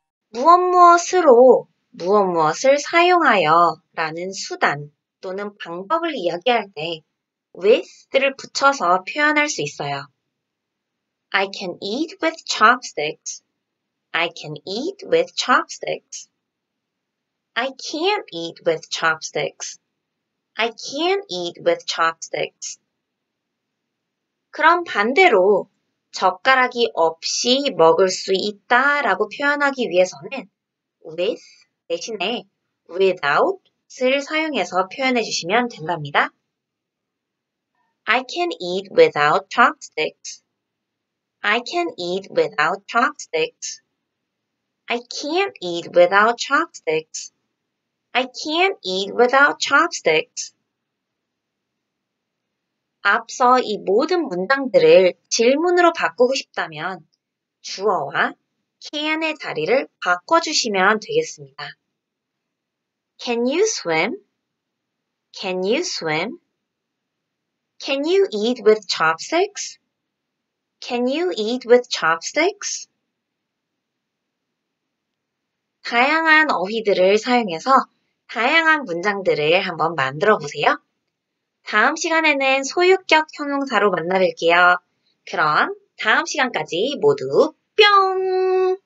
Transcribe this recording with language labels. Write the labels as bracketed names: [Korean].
[Korean] 무엇무엇으로 무엇무엇을 사용하여라는 수단 또는 방법을 이야기할 때 with를 붙여서 표현할 수 있어요. [English] I can eat with chopsticks. I can eat with chopsticks. I can't eat with chopsticks. I can't eat with chopsticks. [Korean] 그럼 반대로 젓가락이 없이 먹을 수 있다라고 표현하기 위해서는 with 대신에 without을 사용해서 표현해 주시면 된답니다. [English] I can eat without chopsticks. I can eat without chopsticks. I can't eat without chopsticks. I can't eat without chopsticks. [Korean] 앞서 이 모든 문장들을 질문으로 바꾸고 싶다면 주어와 can의 자리를 바꿔주시면 되겠습니다. [English] Can you swim? Can you swim? Can you eat with chopsticks? Can you eat with chopsticks? [Korean] 다양한 어휘들을 사용해서 다양한 문장들을 한번 만들어 보세요. 다음 시간에는 소유격 형용사로 만나 뵐게요. 그럼 다음 시간까지 모두 뿅!